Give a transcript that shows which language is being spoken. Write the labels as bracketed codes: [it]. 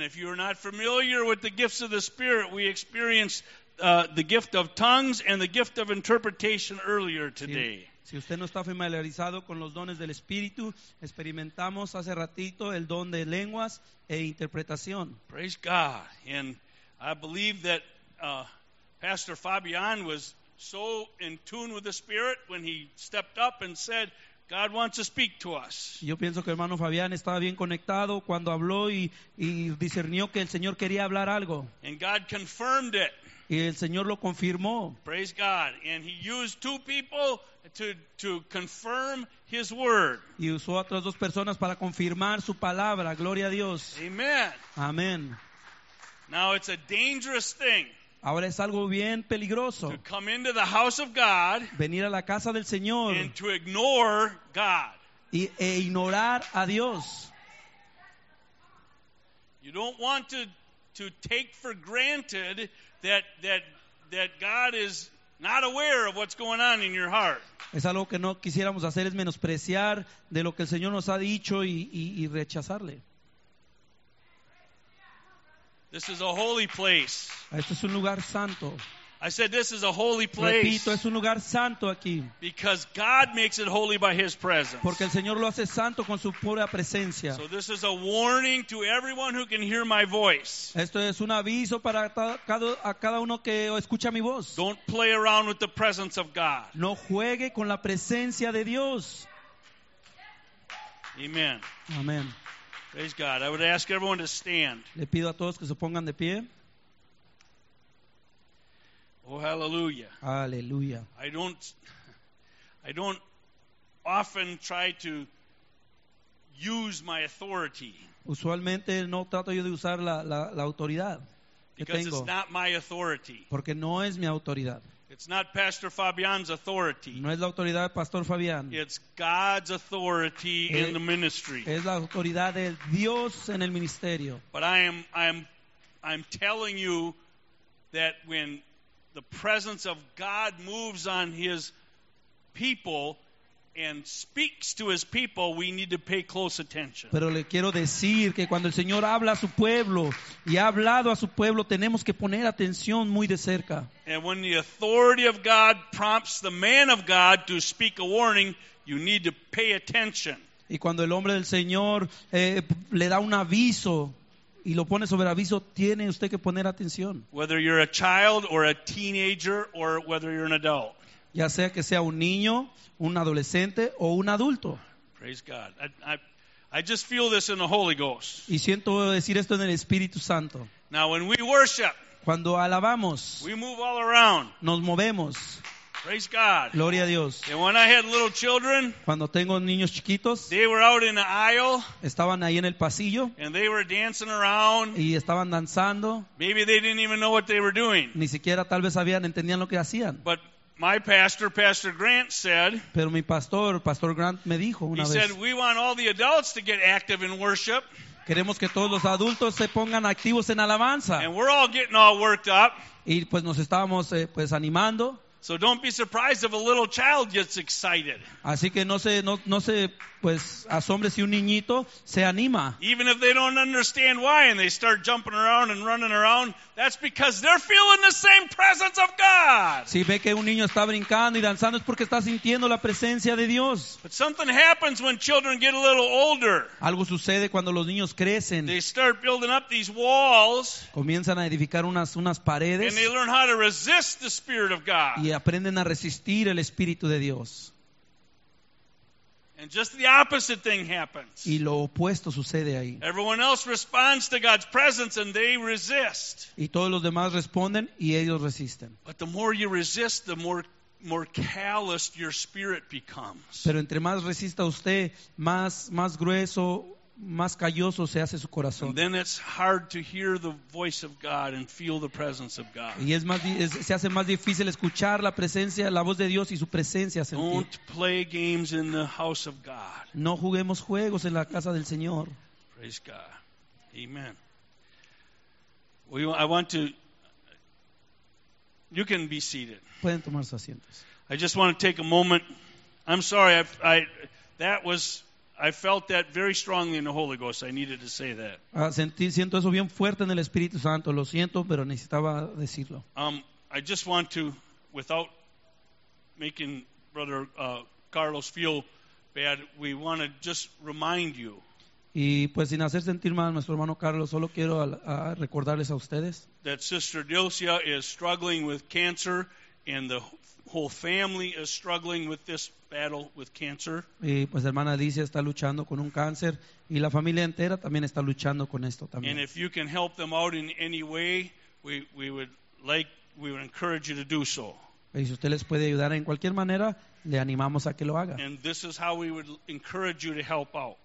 [en] If you are not familiar with the gifts of the Spirit, we experienced the gift of tongues and the gift of interpretation earlier today. [es] Si usted no está familiarizado con los dones del Espíritu, experimentamos hace ratito el don de lenguas e interpretación. [en] Praise God. And I believe that Pastor Fabian was so in tune with the Spirit when he stepped up and said, God wants to speak to us. [es] Yo pienso que hermano Fabián estaba bien conectado cuando habló y discernió que el Señor quería hablar algo. [en] And God confirmed it. [es] Y el Señor lo confirmó. [en] Praise God. And he used two people to confirm his word. [es] Y usó a otras dos personas para confirmar su palabra. Gloria a Dios. [en] Amen. Amen. Now it's a dangerous thing. [es] Ahora es algo bien peligroso. [en] To come into the house of God. [es] Venir a la casa del Señor. [en] And to ignore God. [es] E ignorar a Dios. [en] You don't want to take for granted that God is not aware of what's going on in your heart. [es] Es algo que no quisiéramos hacer, es menospreciar de lo que el Señor nos ha dicho y rechazarle. [en] This is a holy place. [es] Esto es un lugar santo. [en] I said this is a holy place. [es] Repito, es un lugar santo aquí. [en] Because God makes it holy by his presence. [es] Porque el Señor lo hace santo con su pura presencia. [en] So this is a warning to everyone who can hear my voice. [es] Esto es un aviso para cada uno que escucha mi voz. [en] Don't play around with the presence of God. [es] No juegue con la presencia de Dios. [en] Amen. Amen. Praise God. I would ask everyone to stand. [es] Le pido a todos que se pongan de pie. [en] Oh, hallelujah. Hallelujah. I don't often try to use my authority. [es] Usualmente no trato yo de usar la autoridad que [en] because [es] tengo. [en] Because it's not my authority. [es] Porque no es mi autoridad. [en] It's not Pastor Fabian's authority. [es] No es la autoridad de Pastor Fabián. [en] It's God's authority in the ministry. [es] Es la autoridad de Dios en el ministerio. [en] But I'm telling you that when the presence of God moves on his people and speaks to his people, we need to pay close attention. [es] Pero le quiero decir que cuando el Señor habla a su pueblo y ha hablado a su pueblo, tenemos que poner atención muy de cerca. [en] And when the authority of God prompts the man of God to speak a warning, you need to pay attention. [es] Y cuando el hombre del Señor le da un aviso y lo pone sobre aviso, tiene usted que poner atención. [en] Whether you're a child or a teenager or whether you're an adult. [es] Ya sea que sea un niño, un adolescente o un adulto. [en] Praise God. I just feel this in the Holy Ghost. [es] Y siento decir esto en el Espíritu Santo. [en] Now when we worship, [es] cuando alabamos, [en] we move all around. [es] Nos movemos. [en] Praise God. [es] Gloria a Dios. [en] And when I had little children, [es] cuando tengo niños chiquitos, [en] they were out in the aisle, [es] estaban ahí en el pasillo, [en] and they were dancing around, [es] y estaban danzando. [en] Maybe they didn't even know what they were doing. [es] Ni siquiera tal vez sabían, entendían lo que hacían. [en] But my pastor, Pastor Grant, said. [es] Pero mi pastor, Pastor Grant, me dijo una vez. [en] He said, "We want all the adults to get active in worship." [es] Queremos que todos los adultos se pongan activos en alabanza. [en] And we're all getting all worked up. [es] Y pues nos estábamos pues animando. [en] So don't be surprised if a little child gets excited. [es] Así que no se pues asombre si un niñito se anima. [en] Even if they don't understand why and they start jumping around and running around, that's because they're feeling the same presence of God. [es] Si ve que un niño está brincando y danzando es porque está sintiendo la presencia de Dios. [en] But something happens when children get a little older. [es] Algo sucede cuando los niños crecen. [en] They start building up these walls. [es] Comienzan a edificar unas paredes. [en] And they learn how to resist the Spirit of God. [es] Y aprenden a resistir el Espíritu de Dios. [en] And just the opposite thing happens. [es] Y lo opuesto sucede ahí. [en] Everyone else responds to God's presence and they resist. [es] Y todos los demás responden y ellos resisten. [en] But the more you resist, the more calloused your spirit becomes. [es] Pero entre más resista usted, más grueso, más calloso se hace su corazón. [en] And then it's hard to hear the voice of God and feel the presence of God. [es] Y se hace más difícil escuchar la presencia, la voz de Dios y su presencia. [en] Don't play games in the house of God. [es] No juguemos juegos en la casa del Señor. [en] Praise God. Amen. Well, I want to. You can be seated. [es] Pueden tomar sus asientos. [en] I just want to take a moment. I'm sorry. I that was. I felt that very strongly in the Holy Ghost. I needed to say that. [es] Siento eso bien fuerte en el Espíritu Santo. Lo siento, pero necesitaba decirlo. [en] I just want to, without making Brother Carlos feel bad, we want to just remind you. [es] Y pues sin hacer sentir mal a nuestro hermano Carlos, solo quiero a recordarles a ustedes. [en] That Sister Dilcia is struggling with cancer, and the whole family is struggling with this battle with cancer. [es] Y pues hermana Dilcia está luchando con un cáncer, y la familia entera también está luchando con esto también. [en] And if you can help them out in any way, we would encourage you to do so. [es] Y si usted les puede ayudar en cualquier manera, le animamos a que lo haga. [en] And this is how we would encourage you to help out.